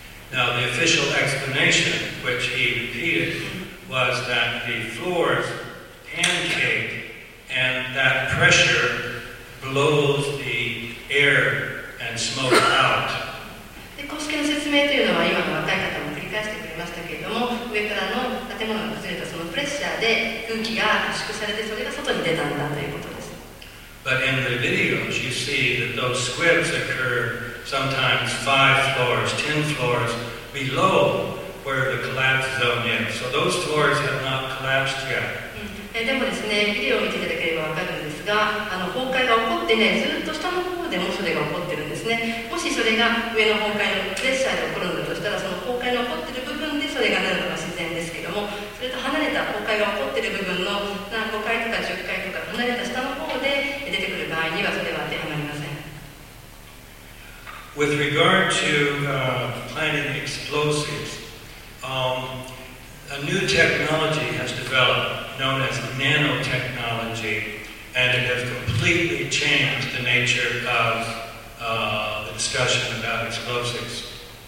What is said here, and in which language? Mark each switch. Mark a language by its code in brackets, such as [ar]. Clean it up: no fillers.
[en] Now, the official explanation which he repeated was that the floors pancaked and that pressure blows the air and smoke out. [ja] で、公式の説明というのは今の若い方も繰り返してくれましたけれども、上からの建物が崩れたそのプレッシャーで空気が圧縮されてそれが外に出たんだということです。 [en] But in the videos you see that those squibs occur sometimes 5 floors, 10 floors below where the collapse zone is. So those floors have not collapsed yet. [ja] でもですね、ビデオを見ていただければ分かるんですが、崩壊が起こってね、ずっと下の方でもそれが起こってるんですね。もしそれが上の崩壊のプレッシャーで起こるんだとしたら、その崩壊の起こってる部分でそれがなるのが自然ですけども、それと離れた崩壊が起こってる部分の5階とか10階とか離れた下の方で出てくる場合にはそれは当てはまりません。 [en] With regard to planted explosives, a new technology has developed. Known as nanotechnology, and it has completely changed the nature of the discussion about explosives.